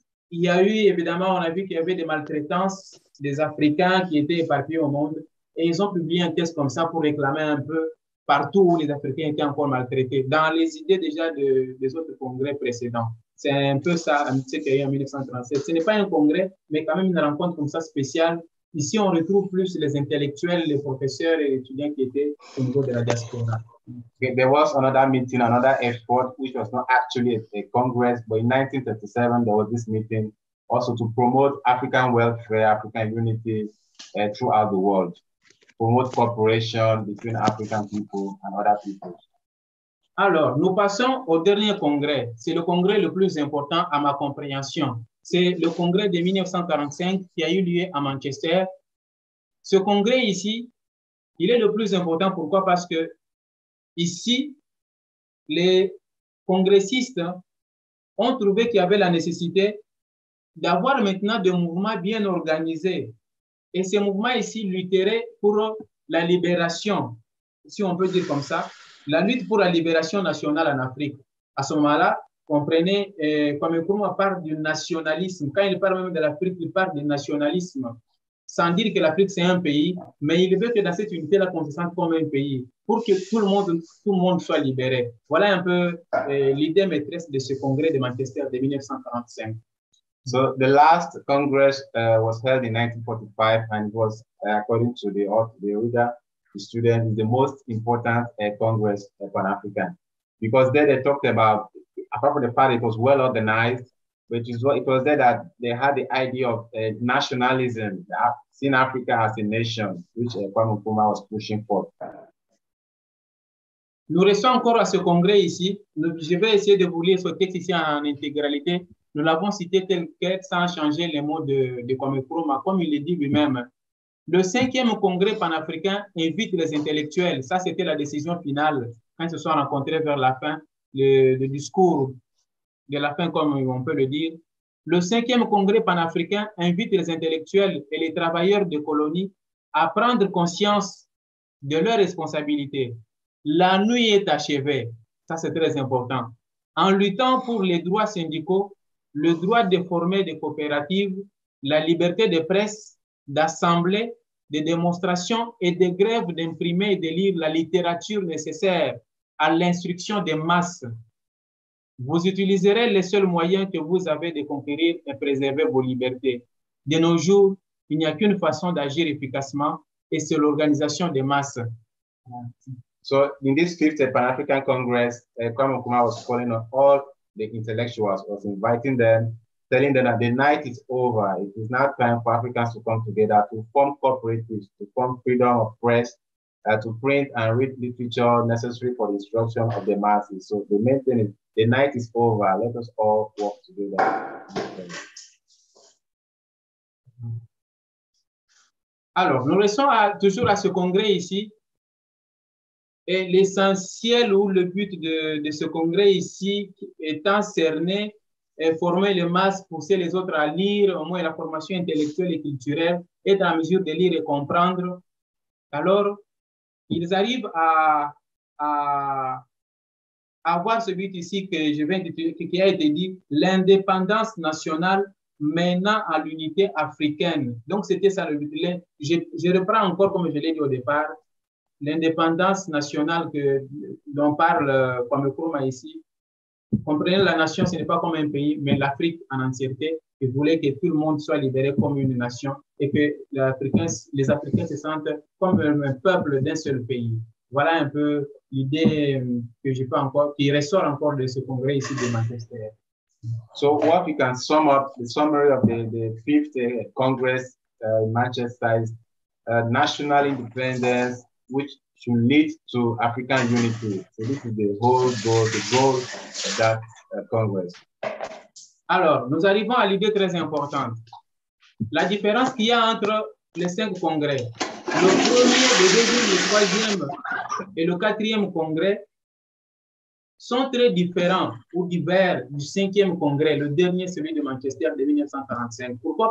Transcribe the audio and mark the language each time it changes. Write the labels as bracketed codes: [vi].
[fr] Il y a eu, évidemment, on a vu qu'il y avait des maltraitances des Africains qui étaient éparpillés au monde et ils ont publié un texte comme ça pour réclamer un peu partout où les Africains étaient encore maltraités, dans les idées déjà des autres congrès précédents. C'est un peu ça, ce qu'il y a eu en 1937. Ce n'est pas un congrès, mais quand même une rencontre comme ça spéciale. Ici, on retrouve plus les intellectuels, les professeurs et les étudiants qui étaient au niveau de la diaspora. [en] Okay, there was another meeting, another effort, which was not actually a congress, but in 1937, there was this meeting also to promote African welfare, African unity throughout the world, promote cooperation between African people and other people. [fr] Alors, nous passons au dernier congrès. C'est le congrès le plus important à ma compréhension. C'est le congrès de 1945 qui a eu lieu à Manchester. Ce congrès ici, il est le plus important. Pourquoi? Parce que ici, les congressistes ont trouvé qu'il y avait la nécessité d'avoir maintenant des mouvements bien organisés. Et ces mouvements ici lutteraient pour la libération, si on peut dire comme ça, la lutte pour la libération nationale en Afrique. À ce moment-là, comprenez, Kwame Nkrumah parle du nationalisme. Quand il parle même de l'Afrique, il parle du nationalisme, sans dire que l'Afrique c'est un pays, mais il veut que dans cette unité, la consiste comme un pays, pour que tout le monde soit libéré. Voilà un peu l'idée maîtresse de ce congrès de Manchester de 1945. [en] So the last congress was held in 1945 and was, according to the author, the reader, the student, the most important congress pan-African, because there they talked about, apart from the fact it was well organized, which is what it was there that they had the idea of nationalism, seeing Africa as a nation, which Kwame Nkrumah was pushing for. [fr] Nous restons encore à ce congrès ici. Je vais essayer de vous lire ce texte ici en intégralité. Nous l'avons cité tel quel sans changer les mots de Kwame Nkrumah, comme il le dit lui-même. Le cinquième congrès panafricain invite les intellectuels. Ça, c'était la décision finale quand ils se sont rencontrés vers la fin. Le discours de la fin, comme on peut le dire. Le cinquième congrès panafricain invite les intellectuels et les travailleurs de colonies à prendre conscience de leurs responsabilités. La nuit est achevée. Ça, c'est très important. En luttant pour les droits syndicaux, le droit de former des coopératives, la liberté de presse, d'assemblée, de démonstration et de grève, d'imprimer et de lire la littérature nécessaire à l'instruction des masses. Vous utiliserez les seuls moyens que vous avez de conquérir et préserver vos libertés. De nos jours, il n'y a qu'une façon d'agir efficacement et c'est l'organisation des masses. [en] So, in this fifth Pan-African Congress, Kwame Nkrumah was calling on all the intellectuals, was inviting them, telling them that the night is over. It is now time for Africans to come together, to form cooperatives, to form freedom of press, to print and read literature necessary for the instruction of the masses. So the main thing is, the night is over. Let us all work together. [fr] Alors, nous restons toujours à ce congrès ici. Et l'essentiel ou le but de ce congrès ici étant cerné et former les masses, pousser les autres à lire, au moins la formation intellectuelle et culturelle, être en mesure de lire et comprendre. Alors, ils arrivent à avoir ce but ici que je viens de, qui a été dit, l'indépendance nationale menant à l'unité africaine. Donc, c'était ça le but. Je reprends encore, comme je l'ai dit au départ, l'indépendance nationale que l'on parle comme Kouma ici. Comprenez, la nation, ce n'est pas comme un pays, mais l'Afrique en entièreté, qui voulait que tout le monde soit libéré comme une nation et que les Africains se sentent comme un peuple d'un seul pays. Voilà un peu l'idée que j'ai pas encore, qui ressort encore de ce congrès ici de Manchester. [en] So what we can sum up, the summary of the fifth congress in Manchester is national independence, which should lead to African unity. So this is the whole goal, the goal of that congress. [fr] Alors, nous arrivons à l'idée très importante. La différence qu'il y a entre les cinq congrès, le premier, le deuxième, le troisième et le quatrième congrès sont très différents ou divers du cinquième congrès, le dernier, celui de Manchester de 1945. Pourquoi?